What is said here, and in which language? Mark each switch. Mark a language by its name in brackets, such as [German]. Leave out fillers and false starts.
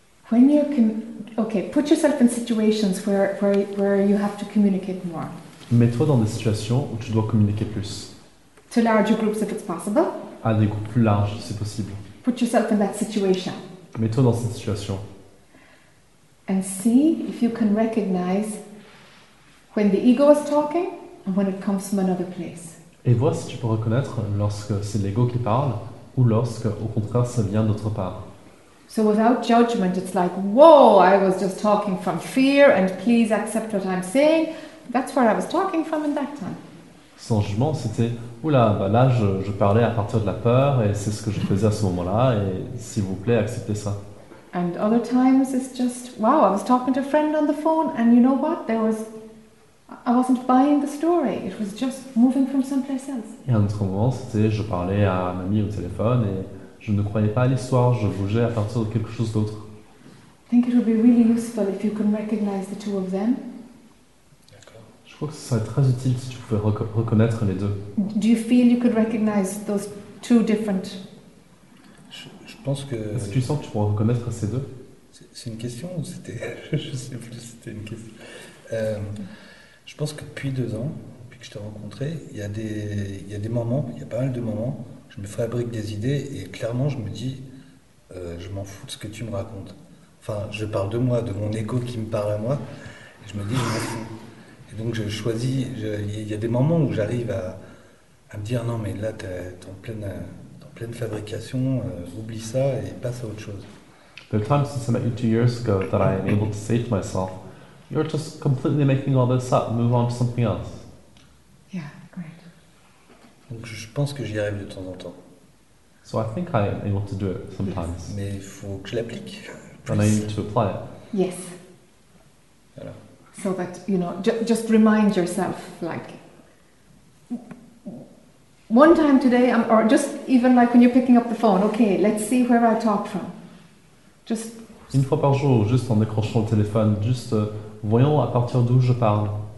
[English] When you can, okay, put yourself in situations where you have to communicate more. [French] Mets-toi dans des situations où tu dois communiquer plus. [English] To larger groups if it's possible. [French] À des groupes plus larges, si c'est possible. [English] Put yourself in that situation. [French] Mets-toi dans cette situation. [English] And see if you can recognize when the ego is talking and when it comes from another place. [French] Et vois si tu peux reconnaître lorsque c'est l'ego qui parle. Ou lorsque, au contraire, ça vient d'autre part. [English] So without judgment, it's like, whoa, I was just talking from fear, and please accept what I'm saying. That's where I was talking from in that time. [French] Sans jugement, c'était, oula, bah là, je parlais à partir de la peur, et c'est ce que je faisais à ce moment-là, et s'il vous plaît, acceptez ça. [English] And other times, it's just, wow, I was talking to a friend on the phone, and you know what, there was... I wasn't buying the story. It was just moving from someplace else. [French] Et un autre moment, c'était, je parlais à un ami au téléphone et je ne croyais pas à l'histoire. Je bougeais à partir de quelque chose d'autre. [English] I think it would be really useful if you could recognize the two of them. [French] D'accord. Je crois que ce serait très utile si tu pouvais reconnaître les deux. [English] Do you feel you could recognize those two different? [French] Je pense que. Est-ce que tu sens que tu pourrais reconnaître ces deux? C'est une question ou c'était? Je ne sais plus. C'était une question. Je pense que depuis 2 ans, depuis que je t'ai rencontré, il y a des moments, il y a pas mal de moments, je me fabrique des idées et clairement je me dis, je m'en fous de ce que tu me racontes. Enfin, je parle de moi, de mon ego qui me parle à moi, et je me dis, je m'en fous. Et donc je choisis, il y a des moments où j'arrive à me dire, non mais là t'es en pleine fabrication, oublie ça et passe à autre chose. [English] The time since I met you 2 years ago that I am able to say to myself, you're just completely making all this up. Move on to something else. Yeah, great. [French] Donc je pense que j'y arrive de temps en temps. [English] So I think I am able to do it sometimes. [French] Yes. Mais il faut que je l'applique. [English] And I need to apply it. Yes. [French] Voilà. [English] So that, you know, just remind yourself, like, one time today, or just even like when you're picking up the phone, okay, let's see where I talk from. Just... [French] Une fois par jour, juste en décrochant le téléphone, juste... Voyons à partir d'où je parle.